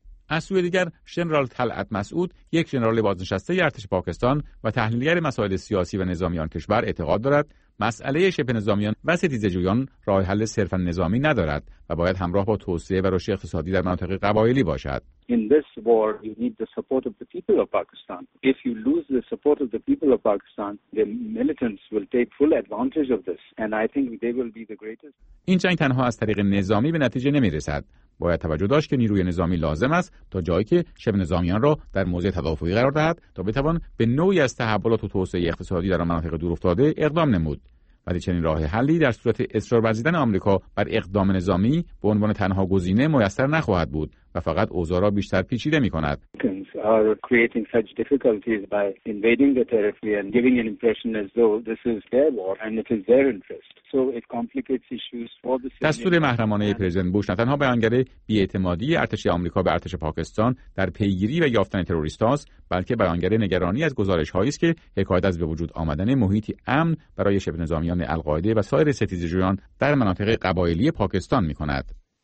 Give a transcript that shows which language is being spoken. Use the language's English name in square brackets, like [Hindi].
[Persian] از سوی دیگر جنرال طلعت مسعود، یک جنرال بازنشسته ارتش پاکستان و تحلیلگر مسائل سیاسی و نظامیان کشور، اعتقاد دارد مسئله شبه نظامیان و ستیزه جویان راه حل صرفا نظامی ندارد و باید همراه با توسعه و رشد اقتصادی در مناطق قبایلی باشد. [English] In this war you need the support of the people of Pakistan. If you lose the support of the people of Pakistan, the militants will take full advantage of this and I think they will be the greatest. [Persian] این جنگ تنها از طریق نظامی به نتیجه نمی‌رسد. باید توجه داشت که نیروی نظامی لازم است تا جایی که شبه نظامیان را در موضع تدافعی قرار دهد تا بتوان به نوعی از تحولات و توسعه اقتصادی در مناطق دورافتاده اقدام نمود. ولی چنین راه حلی در صورت اصرار ورزیدن آمریکا بر اقدام نظامی به عنوان تنها گزینه میسر نخواهد بود و فقط اوضاع را بیشتر پیچیده می‌کند. [English] Are creating such difficulties by invading the territory and giving an impression as though this is their war and it is their interest. So it complicates issues for the Syrian. [Persian] دستور محرمانه پرزیدنت بوش نه تنها بیانگر بی‌اعتمادی ارتش آمریکا به ارتش پاکستان در پیگیری و یافتن تروریست‌هاست، بلکه بیانگر نگرانی از گزارش‌هایی است که حکایت از به وجود آمدن محیطی امن برای شبه نظامیان القاعده و سایر ستیزه‌جویان در مناطق قبایلی پاکستان می‌کند.